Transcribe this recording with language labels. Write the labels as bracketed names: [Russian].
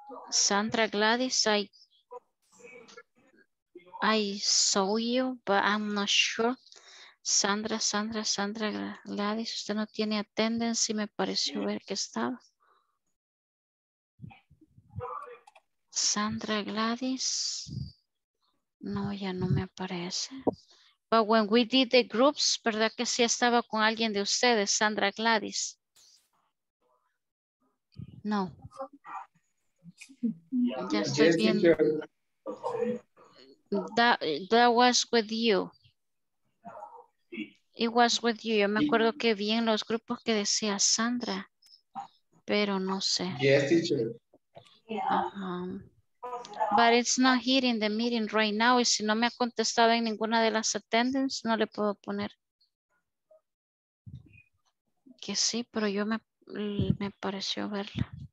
[English] Sandra Gladys, I saw you, but I'm not sure. [Spanish] Sandra Gladys, usted no tiene attendance y me pareció ver que estaba. Sandra Gladys. No, ya no me aparece. [English] But when we did the groups, [Spanish] ¿verdad que sí estaba con alguien de ustedes, Sandra Gladys? No. Ya estoy viendo. [English] That was with you. It was with you. [Spanish] Yo me acuerdo que vi en los grupos que decía Sandra, pero no sé. [English] Yes, teacher. But it's not here in the meeting right now. [Spanish] Y si no me ha contestado en ninguna de las attendance, no le puedo poner que sí, pero yo me pareció verla.